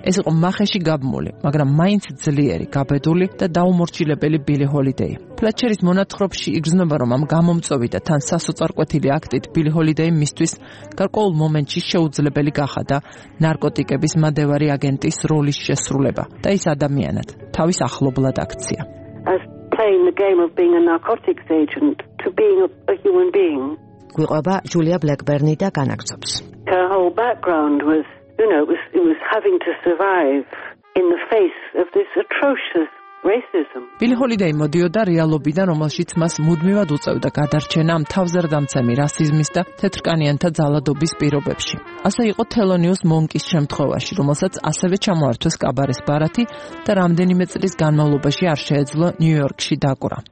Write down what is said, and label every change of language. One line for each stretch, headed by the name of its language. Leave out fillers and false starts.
Georgian: ეს იყო მახეში გაბმული, მაგრამ მაინც ძლიერი, გაბედული და დაუმორჩილებელი ბილი ჰოლიდეი. ფლეტჩერის მონათხრობში იგრძნობა, რომ ამ გამომწვევი და თან სასოწარკვეთილი აქტით ბილი ჰოლიდეი მისთვის გარკვეულ მომენტში შეუძლებელი გახადა ნარკოტიკების მადევარი აგენტის როლის შესრულება და ის ადამიანად თავის ახლობლად აქცია.
English: Playing the game of being a narcotics agent to being a human being.
Georgian: Guiraba Julia Blackburny da ganakzobs.
English: Her whole background was, you know, it was having to survive in the face of this atrocious racism.
Georgian: Billie Holiday მოდიოდა რეალობიდან, რომელშიც მას მუდმივად უწევდა გადარჩენა თავზარდამცემი რასიზმის და თეთრკანიანთა ძალადობის პირობებში. ასე იყო თელონიუს მონკის შემთხვევაში, რომელსაც ასევე ჩამოართვეს კაბარეს ბარათი და რამდენიმე წლის განმავლობაში არ შეეძლო ნიუ-იორკში დაკვრა.